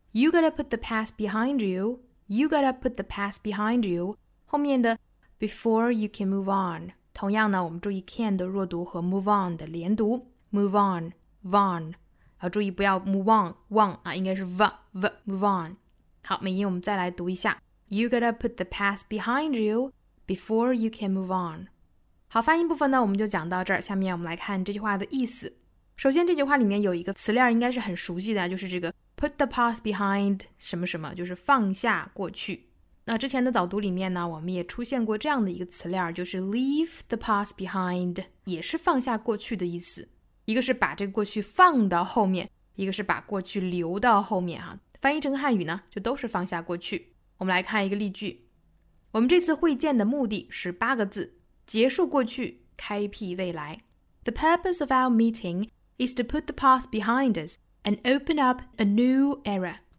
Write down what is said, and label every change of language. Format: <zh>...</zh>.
<en>You gotta put the past behind you. You gotta put the past behind you.</en> <zh>后面的</zh> <en>before you can move on，</en> <zh>同样呢，我们注意 can 的弱读和 move on 的连读。 Move on, von， 要注意不要 move on, won 啊，应该是 v v move on。好，美音我们再来读一下。</zh> <en>You gotta put the past behind you before you can move on。</en> <zh>好，发音部分呢，我们就讲到这儿。下面我们来看这句话的意思。首先，这句话里面有一个词链应该是很熟悉的，就是这个</zh> <en>put the past behind</en> <zh>什么什么，就是放下过去。那之前的早读里面呢，我们也出现过这样的一个词链，就是</zh> <en>leave the past behind，</en> <zh>也是放下过去的意思。一个是把这个过去放到后面，一个是把过去留到后面啊。翻译成汉语呢，就都是放下过去。我们来看一个例句，我们这次会见的目的是八个字，结束过去，开辟未来。</zh> <en>The purpose of our meeting is to put the past behind us and open up a new era.</en>